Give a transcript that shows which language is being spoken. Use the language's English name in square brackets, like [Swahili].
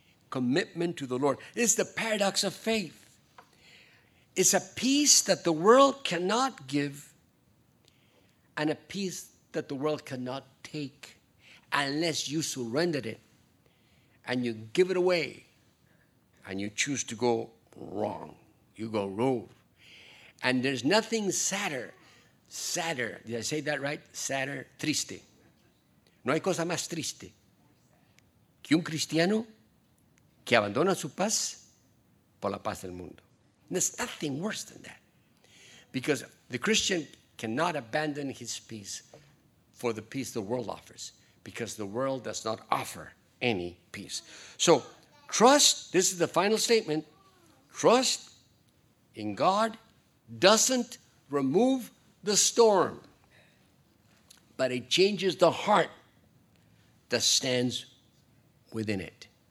[English] Commitment to the Lord. It's the paradox of faith. It's a peace that the world cannot give and a peace that the world cannot take unless you surrender it and you give it away and you choose to go wrong. You go rogue. And there's nothing sadder. Did I say that right? Sadder. Triste. [Spanish] No hay cosa más triste que un cristiano que abandona su paz por la paz del mundo. [English] There's nothing worse than that. Because the Christian cannot abandon his peace for the peace the world offers. Because the world does not offer any peace. So trust, this is the final statement, trust in God doesn't remove the storm, but it changes the heart that stands within it.